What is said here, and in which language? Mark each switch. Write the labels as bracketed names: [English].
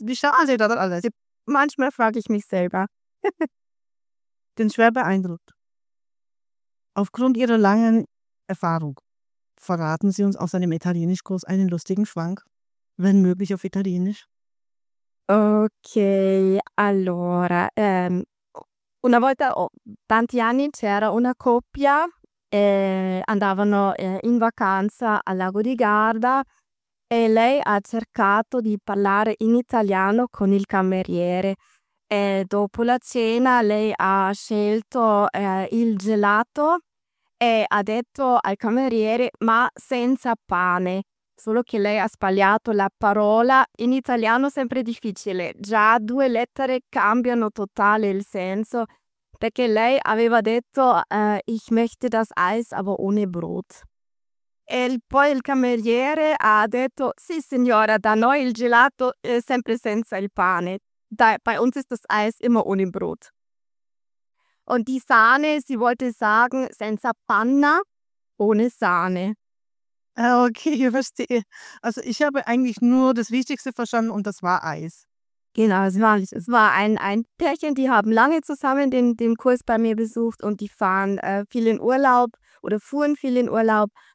[German] Wie schauen Sie das alles? Manchmal frage ich mich selber. Bin schwer beeindruckt. Aufgrund Ihrer langen Erfahrung, verraten Sie uns aus einem Italienischkurs einen lustigen Schwank, wenn möglich auf Italienisch. [Italian] Okay, allora. Una volta tanti anni c'era una coppia, andavano in vacanza al Lago di Garda. E lei ha cercato di parlare in italiano con il cameriere. E dopo la cena lei ha scelto il gelato e ha detto al cameriere: ma senza pane. Solo che lei ha sbagliato la parola. In italiano è sempre difficile. Già due lettere cambiano totale il senso. Perché lei aveva detto: [German] ich möchte das Eis, aber ohne Brot. [Italian] E poi il cameriere ha detto: sì signora, da noi il gelato è sempre senza il pane. [German] Bei uns ist das Eis immer ohne Brot. Und die Sahne, sie wollte sagen, [Italian] senza panna, [German] ohne Sahne. Okay, ich verstehe. Also ich habe eigentlich nur das Wichtigste verstanden und das war Eis. Genau, es war ein Pärchen, die haben lange zusammen den Kurs bei mir besucht und die fahren viel in Urlaub oder fuhren viel in Urlaub.